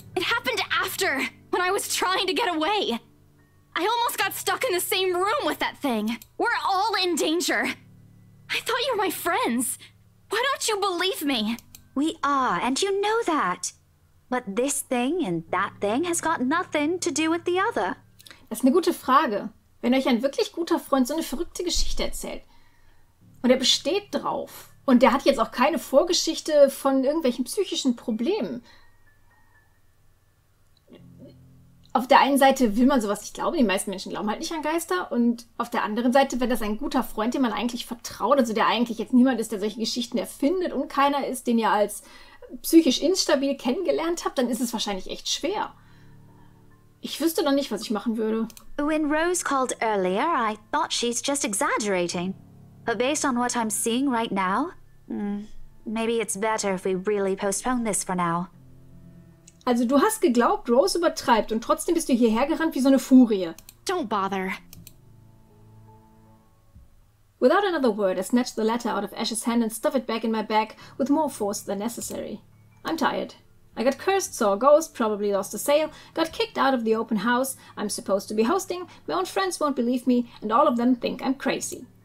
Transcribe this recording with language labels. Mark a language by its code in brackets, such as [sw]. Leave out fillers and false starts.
[en] It happened after, when I was trying to get away. I almost got stuck in the same room with that thing. We're all in danger. I thought you were my friends. Why don't you believe me? We are, and you know that. But this thing and that thing has got nothing to do with the other. [de] Das ist eine gute Frage. Wenn euch ein wirklich guter Freund so eine verrückte Geschichte erzählt, und er besteht drauf, und der hat jetzt auch keine Vorgeschichte von irgendwelchen psychischen Problemen. Auf der einen Seite will man sowas nicht glauben, die meisten Menschen glauben halt nicht an Geister. Und auf der anderen Seite, wenn das ein guter Freund, dem man eigentlich vertraut, also der eigentlich jetzt niemand ist, der solche Geschichten erfindet und keiner ist, den ihr als psychisch instabil kennengelernt habt, dann ist es wahrscheinlich echt schwer. Ich wüsste noch nicht, was ich machen würde. [en] When Rose called earlier, I thought she's just exaggerating. But based on what I'm seeing right now, maybe it's better if we really postpone this for now. [de] Also du hast geglaubt, Rose übertreibt und trotzdem bist du hierher gerannt wie so eine Furie. [en] Don't bother. Without another word, I snatch the letter out of Ash's hand and stuff it back in my bag with more force than necessary. I'm tired. I got cursed, saw a ghost, probably lost a sale, got kicked out of the open house I'm supposed to be hosting, my own friends won't believe me, and all of them think I'm crazy.